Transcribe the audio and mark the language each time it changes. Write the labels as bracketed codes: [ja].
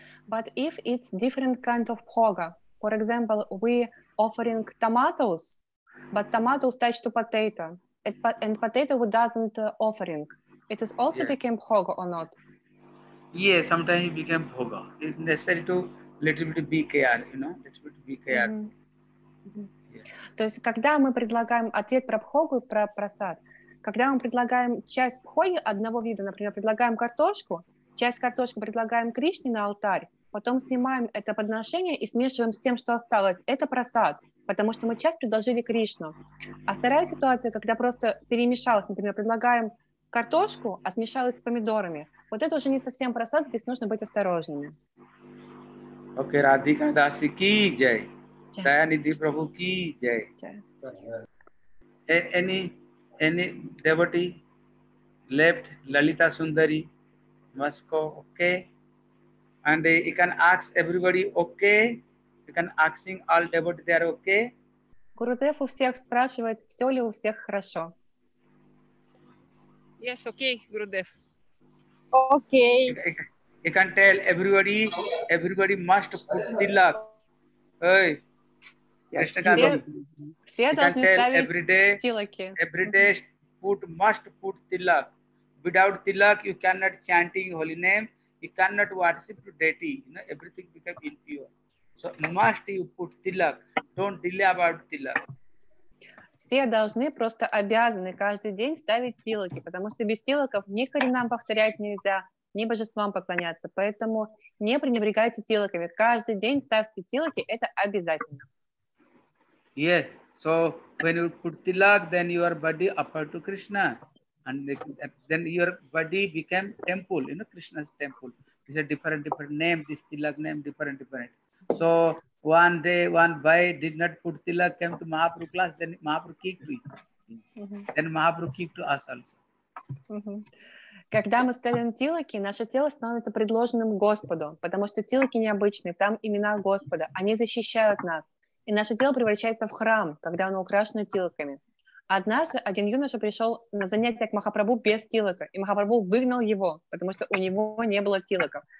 [en] But if it's different kind of bhoga, for example, we offering tomatoes, but tomatoes touch to potato, and potato doesn't offering, it is also became bhoga or not? Yeah, sometimes it became bhoga. It's necessary to little bit BKR, you know, little bit BKR. [ru] То есть, когда мы предлагаем ответ про бхогу, про прасад, когда мы предлагаем часть бхоги одного вида, например, предлагаем картошку, часть картошки предлагаем Кришне на алтарь, потом снимаем это подношение и смешиваем с тем, что осталось, это прасад, потому что мы часть предложили Кришну. А вторая ситуация, когда просто перемешалось, например, предлагаем картошку, а смешалось с помидорами, вот это уже не совсем прасад, здесь нужно быть осторожными. [en] Okay, Radhika Dasi ki jai. Dayanidhi Prabhu ki jai. Any devotee left Lalita Sundari must go, okay? And you can ask everybody, okay? You can asking all devotees, they are okay? [ru] Gurudev у всех спрашивает, все ли у всех хорошо. [en] Yes, okay, Gurudev. Okay. You can tell everybody must put tilak. Hey, every day must put tilak. Without tilak, you cannot chanting holy name. You cannot worship deity. You know, everything become impure. So must you put tilak. Don't delay about tilak. [ru] Все должны, просто обязаны каждый день ставить тилаки, потому что без тилаков ни харинам повторять нельзя, не божествам поклоняться. Поэтому не пренебрегайте тилаками. Каждый день ставьте тилаки, это обязательно. [en] Yes. So when you put tilak, then your body offer to Krishna. And then your body became temple, you know, Krishna's temple. It's a different name, this tilak name, different. So one day, one boy did not put tilak, came to Mahaprabhu class, then Mahaprabhu kicked me. Mm-hmm. Then Mahaprabhu kicked to us also. Mm-hmm. [ru] Когда мы ставим тилаки, наше тело становится предложенным Господу, потому что тилаки необычные, там имена Господа, они защищают нас. И наше тело превращается в храм, когда оно украшено тилаками. Однажды один юноша пришел на занятие к Махапрабху без тилака, и Махапрабху выгнал его, потому что у него не было тилаков.